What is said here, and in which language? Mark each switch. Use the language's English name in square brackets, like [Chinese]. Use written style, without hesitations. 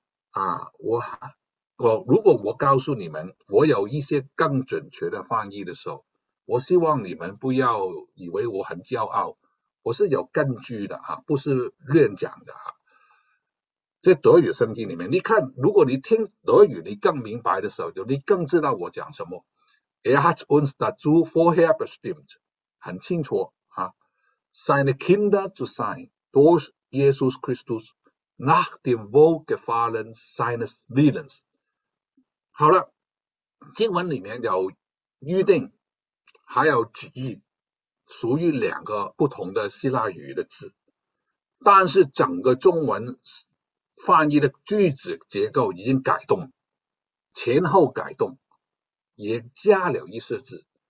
[Chinese] 啊，如果我告诉你们，我有一些更准确的翻译的时候，我希望你们不要以为我很骄傲，我是有根据的啊，不是乱讲的啊。在德语圣经里面，你看，如果你听德语，你更明白的时候，就你更知道我讲什么。 [German] Er hat uns dazu vorher bestimmt， [Chinese] 很清楚啊。 [German] Seine Kinder zu sein durch Jesus Christus nach dem Wohlgefallen seines Willens。 [Chinese] 好了，经文里面有预定，还有旨意，属于两个不同的希腊语的字，但是整个中文翻译的句子结构已经改动，前后改动，也加了一些字。